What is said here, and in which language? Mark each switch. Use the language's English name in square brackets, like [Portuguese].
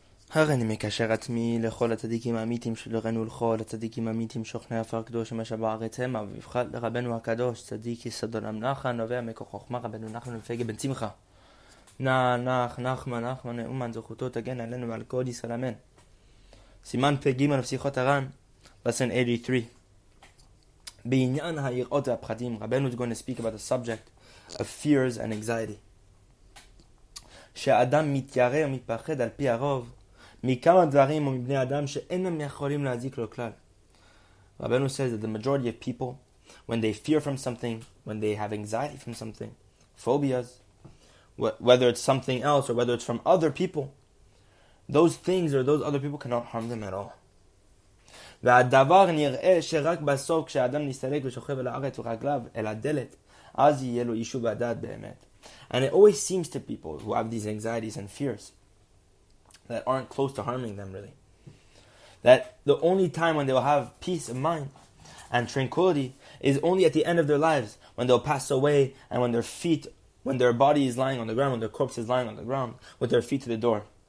[Hebrew] הריני מקשר עצמי לכל הצדיקים האמיתים של רנו לכל הצדיקים האמיתים שוכני אף הקדוש המשה בארץ המה ובבחד לרבנו הקדוש צדיק יסוד עולם נחן נובע מכוח חוכמה רבנו נחן ופגי בן צמחה נח נח נחמה נחמה נאומן זכותו תגן עלינו ועל כל ישראל אמן סימן פגי מן הפסיכות הרן לסן 83 בעניין היראות והפחדים רבנו [English] is going to speak about the subject of fears and anxiety [Hebrew] שהאדם מתיירה ומתפחד על פי הרוב מכמה דברים או מבני אדם שאינם יכולים להזיק לו כלל. [English] רבנו says that the majority of people, when they fear from something, when they have anxiety from something, phobias, whether it's something else or whether it's from other people, those things or those other people cannot harm them at all. [Hebrew] והדבר נראה שרק בסוף כשאדם נסתלק ושוכב אל הארץ ורגליו אל הדלת, אז יהיה לו אישו בדעת באמת. [English] And it always seems to people who have these anxieties and fears, that aren't close to harming them, really. That the only time when they will have peace of mind and tranquility is only at the end of their lives, when they'll pass away and when their feet, when their body is lying on the ground, when their corpse is lying on the ground, with their feet to the door.